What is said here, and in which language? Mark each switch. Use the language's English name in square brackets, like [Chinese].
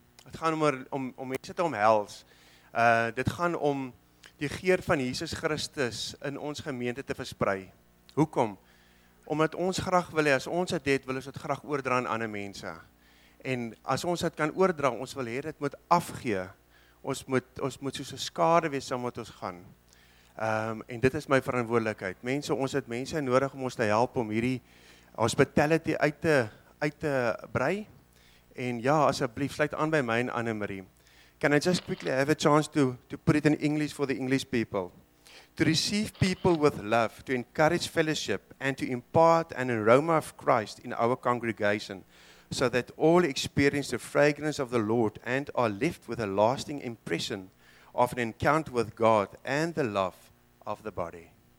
[Afrikaans] Dit gaan om om mense te omhels. Dit gaan om die geur van Jesus Christus in ons gemeente te versprei. Hoekom? Omdat ons graag wil hê as ons dit het, wil ons dit graag oordra aan ander mense. En as ons dit kan oordra, ons wil hê dit moet afgee. Ons moet soos 'n skade wees saam met ons gaan. En dit is my verantwoordelikheid. Mense, ons het mense nodig om ons te help om hierdie hospitality uit te brei. En ja, asseblief sluit aan by my en Anne Marie. [English] Can I just quickly have a chance to put it in English for the English people? To receive people with love, to encourage fellowship and to impart an aroma of Christ in our congregation so that all experience the fragrance of the Lord and are left with a lasting impression of an encounter with God and the love of the body.